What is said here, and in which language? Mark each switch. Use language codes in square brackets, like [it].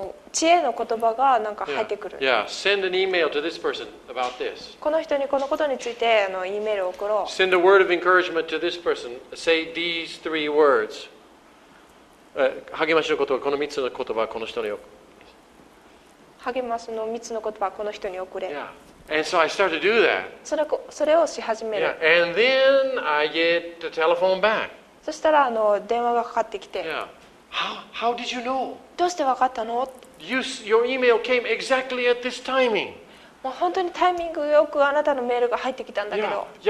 [ja] 知恵の言葉がなんか入ってくる。 [en] Yeah. Yeah. Send an email to this person about this. [ja] この人にこのことについてEメールを送ろう。 [en] Send a word of encouragement to this person. Say these three words. [ja] 励ましの言葉、この3つの言葉をこの人に送る。励ましの3つの言葉をこの人に送れ。 [en] Yeah. And so I start to do that. [ja] それをし始める。 [en] Yeah. And then I get the telephone back. [ja] そしたら電話がかかってきて。 [en] Yeah. How did you know? [ja] どうして分かったの? [en] Your email came exactly at this timing. [ja] もう本当にタイミングよくあなたのメールが入ってきたんだけど。